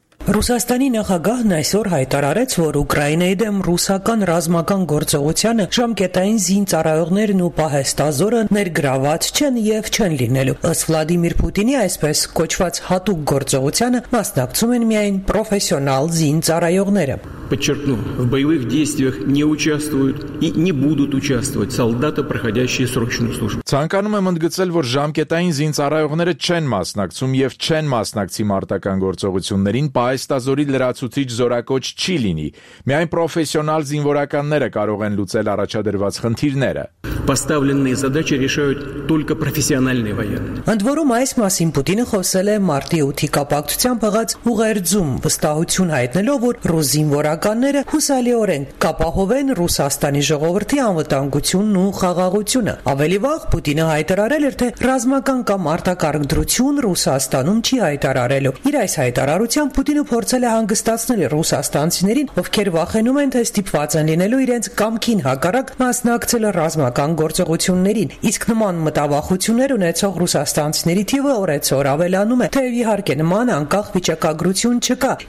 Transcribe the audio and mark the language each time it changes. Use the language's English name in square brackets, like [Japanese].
[Armenian] Ռուսաստանի նախագահն այսօր հայտարարեց, որ Ուկրաինայի դեմ ռուսական ռազմական գործողությունը ժամկետային զինծառայողներն ու պահեստազորը ներգրաված չեն եւ չեն լինելու։ Ըստ Վլադիմիր Պուտինի, այսպես կոչված հատուկ գործողությանը մասնակցում են միայն պրոֆեսիոնալ զինծառայողները։ [Russian] Подчеркнув, в боевых действиях не участвуют и не будут участвовать солдаты, проходящие срочную службу. [Armenian] Ցանկանում եմ ընդգծել, որ ժամկետային զինծառայողները չեն մասնակցում եւ չեն մասնակցի մարտական գործողություններին, պահեստազորի լրացուցիչ զորակոչ չի լինի։ Միայն պրոֆեսիոնալ զինվորականները կարող են լուծել առաջադրված խնդիրները։ [Russian] Поставленные задачи решают только профессиональные военные. [Armenian] Ընդ որում, այս մասին Պուտինը խոսել է մարտի 8-ի կապակցությամբ եղած ուղերձում, վստահություն հայտնելով, որ ռուսին Որականները հուսալիորեն կապահովեն Ռուսաստանի ժողովրդի անվտանգությունն ու խաղաղությունը։ Ավելի վաղ Պուտինը հայտարարել էր, թե ռազմական կամ արտակարգ դրություն Ռուսաստանում չի հայտարարելու։ Իր այս հայտարարությամբ Պուտինը փորձել է հանգստացնել ռուսաստանցիներին, ովքեր վախենում են, թե ստիպված են լինելու իրենց կամքին հակառակ մասնակցել ռազմական գործողություններին։ Իսկ նման մտավախություններ ունեցող ռուսաստանցիների թիվը օրերցօր ավելանում է, թե իհարկե նման անկախ վիճակագրություն չկա,